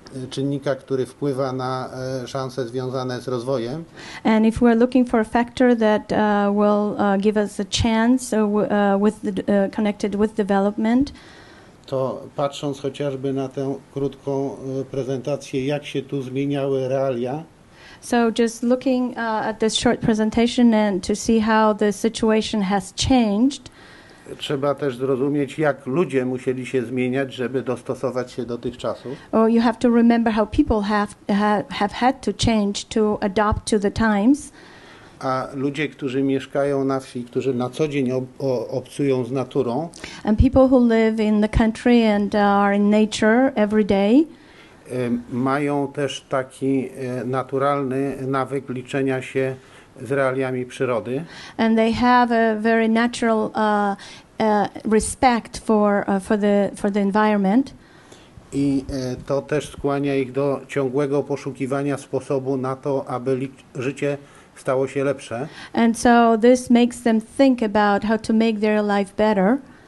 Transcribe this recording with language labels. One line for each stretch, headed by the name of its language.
Polish: czynnika, który wpływa na szanse związane z rozwojem.
English: And if we're looking for a factor that will give us a chance with the, connected with development,
Polish: to patrząc chociażby na tę krótką prezentację, jak się tu zmieniały realia.
English: So just looking at this short presentation and to see how the situation has changed.
Polish: Trzeba też zrozumieć, jak ludzie musieli się zmieniać, żeby dostosować się do tych czasów.
English: Or you have to remember how people have had to change to adapt to the times.
Polish: A ludzie, którzy mieszkają na wsi, którzy na co dzień obcują z naturą.
English: And people who live in the country and are in nature every day.
Polish: Mają też taki naturalny nawyk liczenia się z realiami przyrody.
English: And they have a very natural respect for the environment.
Polish: I to też skłania ich do ciągłego poszukiwania sposobu na to, aby życie stało się lepsze.
English: And so this makes them think about how to make their life better.